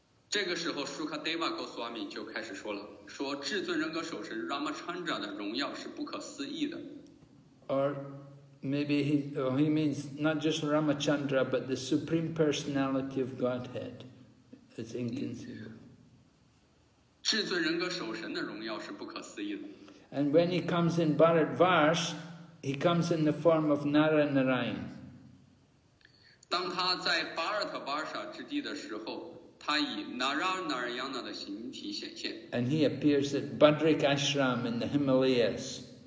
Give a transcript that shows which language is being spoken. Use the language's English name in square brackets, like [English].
[Chinese] 这个时候 Sukadeva Goswami 就开始说了，说至尊人格守神 Ramachandra 的荣耀是不可思议的。 [English] Or maybe he means not just Ramachandra, but the Supreme Personality of Godhead is inconceivable. [Chinese] 至尊人格守神的荣耀是不可思议的。 [English] And when he comes in Bharatvarsh, he comes in the form of Naranarayan. [Chinese] 当他在 Bharatvarsha 之地的时候，他以 Naranarayana 的形体显现。 [English] And he appears at Badrik Ashram in the Himalayas.